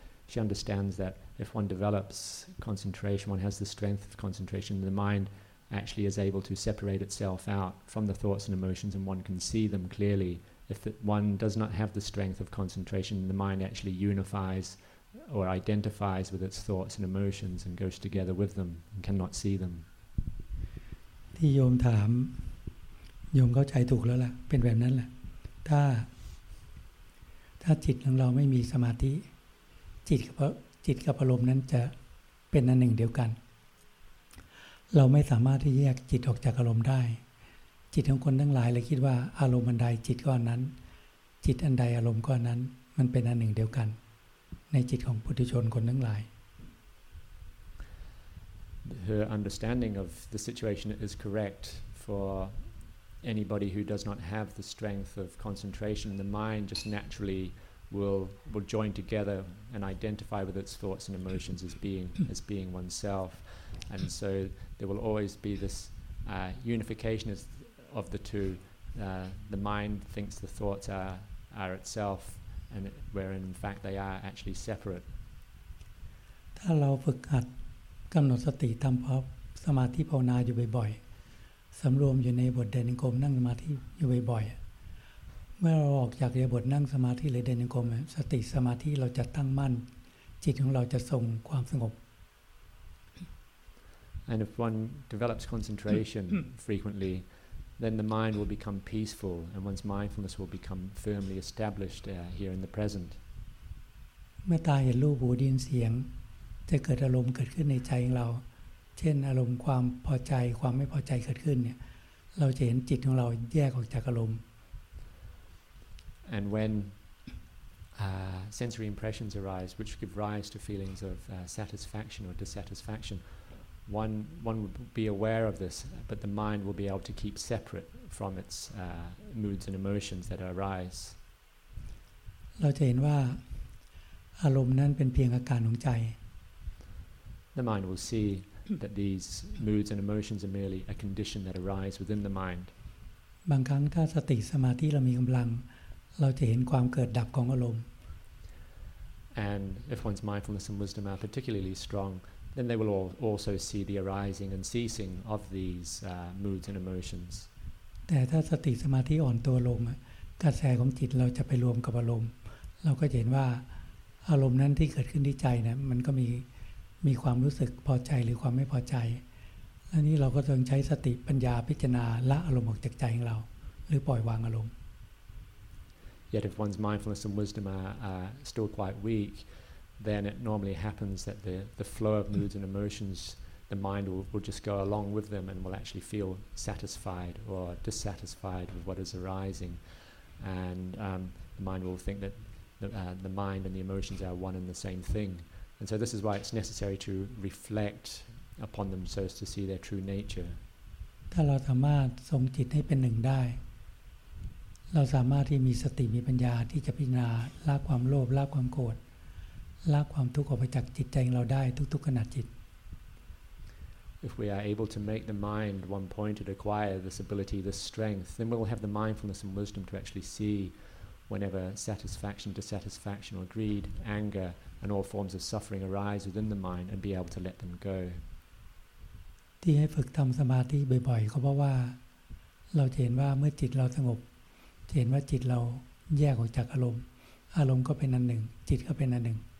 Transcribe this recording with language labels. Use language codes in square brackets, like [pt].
[en] She understands that if one develops concentration, one has the strength of concentration, the mind actually is able to separate itself out from the thoughts and emotions and one can see them clearly. If one does not have the strength of concentration, the mind actually unifies or identifies with its thoughts and emotions and goes together with them and cannot see them. [th] ที่โยมถามโยมเข้าใจถูกแล้วล่ะเป็นแบบนั้นแหละถ้าจิตของเราไม่มีสมาธิจิตกับอารมณ์นั้นจะเป็นอันหนึ่งเดียวกันเราไม่สามารถที่แยกจิตออกจากอารมณ์ได้จิตของคนทั้งหลายเลยคิดว่าอารมณ์อันใดจิตก้อนนั้นจิตอันใดอารมณ์ก้อนนั้นมันเป็นอันหนึ่งเดียวกันในจิตของปุถุชนคนทั้งหลาย [en] Her understanding of the situation is correct for anybody who does not have the strength of concentration. The mind just naturally will join together and identify with its thoughts and emotions as being oneself. And so there will always be this unification of the two. The mind thinks the thoughts are itself, and wherein in fact they are actually separate. [th] ถ้าเราฝึกหัดกำหนดสติทำพอสมาธิภาวนาอยู่บ่อยๆสำรวมอยู่ในบทเดินจงกรมนั่งสมาธิอยู่บ่อยๆเมื่อเราออกจากบทนั่งสมาธิหรือเดินจงกรมสติสมาธิเราจะตั้งมั่นจิตของเราจะทรงความสงบ [en] And if one develops concentration frequently then the mind will become peaceful and one's mindfulness will become firmly established here in the present [th] เมื่อตาเห็นรูปหูได้ยินเสียงจะเกิดอารมณ์เกิดขึ้นในใจของเราเช่นอารมณ์ความพอใจความไม่พอใจเกิดขึ้นเนี่ยเราจะเห็นจิตของเราแยกออกจากอารมณ์ [en] And when sensory impressions arise which give rise to feelings of satisfaction or dissatisfaction one would be aware of this but the mind will be able to keep separate from its moods and emotions that arise [th] เราจะเห็นว่าอารมณ์นั้นเป็นเพียงอาการของใจ [en] The mind will see that these moods and emotions are merely a condition that arise within the mind. [th] บางครั้งถ้าสติสมาธิเรามีกำลังเราจะเห็นความเกิดดับของอารมณ์ [en] And if one's mindfulness and wisdom are particularly strong, then they will also see the arising and ceasing of these moods and emotions. [th] แต่ถ้าสติสมาธิอ่อนตัวลงกระแสของจิตเราจะไปรวมกับอารมณ์เราก็จะเห็นว่าอารมณ์นั้นที่เกิดขึ้นที่ใจนะมันก็มีความรู้สึกพอใจหรือความไม่พอใจแล้วนี้เราก็ต้องใช้สติปัญญาพิจารณาละอารมณ์ออกจากใจของเราหรือปล่อยวางอารมณ์ [en] Yet if one's mindfulness and wisdom are still quite weak then it normally happens that the flow of moods and emotions the mind will just go along with them and will actually feel satisfied or dissatisfied with what is arisingand the mind will think that the mind and the emotions are one and the same thing and so this is why it's necessary to reflect upon them so as to see their true nature [th] ถ้าเราสามารถทรงจิตให้เป็นหนึ่งได้เราสามารถที่มีสติมีปัญญาที่จะพิจารณาละความโลภละความโกรธละความทุกข์ออกไปจากจิตใจของเราได้ทุกๆขณะจิต [en] if we are able to make the mind one pointed acquire this ability this strength then we will have the mindfulness and wisdom to actually seewhenever satisfaction, dissatisfaction, or greed, anger, and all forms of suffering arise within the mind and be able to let them go. [th] ที่ให้ฝึกทำสมาธิบ่อยๆก็เพราะว่าเราเห็นว่าเมื่อจิตเราสงบเห็นว่าจิตเราแยกออกจากอารมณ์อารมณ์ก็เป็นอันหนึ่งจิตก็เป็นอันหนึ่ง